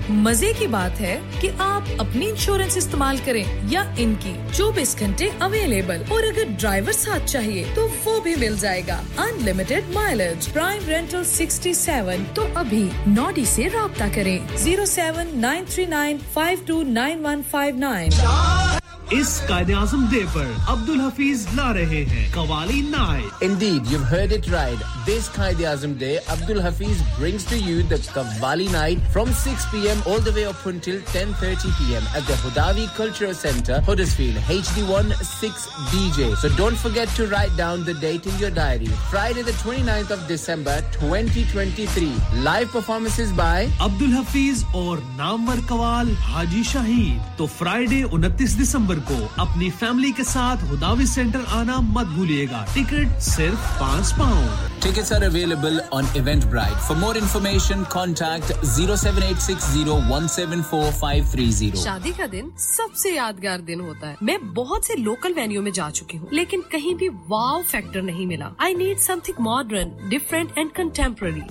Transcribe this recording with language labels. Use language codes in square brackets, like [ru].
[ur] مزے کی بات ہے کہ آپ اپنی انشورنس استعمال کریں یا ان کی، 24 گھنٹے اویلیبل، اور اگر ڈرائیور ساتھ چاہیے تو وہ بھی مل جائے گا. Unlimited mileage. پرائم رینٹل 67، تو ابھی نوڈی سے رابطہ کریں 07939529159. اس قائد اعظم دے پر عبد الحفیظ لا رہے ہیں قوالی night. [en] Indeed, you've heard it right. This Quaid Azam دے Abdul Hafeez brings to you the qawwali night from 6 p.m. all the way up until 10:30 p.m. at the Hudavi Cultural Center, Huddersfield, HD16DJ. So don't forget to write down the date in your diary. Friday the 29th of December 2023. Live performances by [ur] Abdul Hafeez اور نامور قوال حاجی شاہید. تو Friday 29 December کو اپنی family کے ساتھ ہداوی centre آنا مت بھولیے گا. Ticket صرف £5. [en] Tickets are available on Eventbrite. For more information, contact 07860174530. [ur] شادی کا دن سب سے یادگار دن ہوتا ہے. میں بہت سے لوکل وینیو میں جا چکی ہوں لیکن کہیں بھی واو فیکٹر نہیں ملا. [en] I need something modern, different and contemporary.